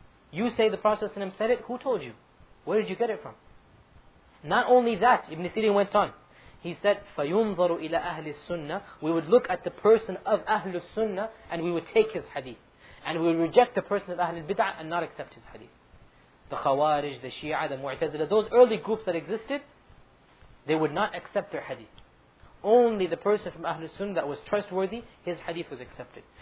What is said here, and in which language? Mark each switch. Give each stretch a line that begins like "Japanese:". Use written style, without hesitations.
English: You say the Prophet ﷺ said it, who told you? Where did you get it from? Not only that, Ibn Sirin went on. He said,
Arabic: فَيُنظَرُ إِلَىٰ أَهْلِ السُّنَّةِ.
English: We would look at the person of Ahlul Sunnah and we would take his hadith. And we would reject the person of Ahlul Bid'ah and not accept his hadith. The Khawarij, the Shia, the Mu'tazila, those early groups that existed, they would not accept their hadith. Only the person from Ahlul Sunnah that was trustworthy, his hadith was accepted.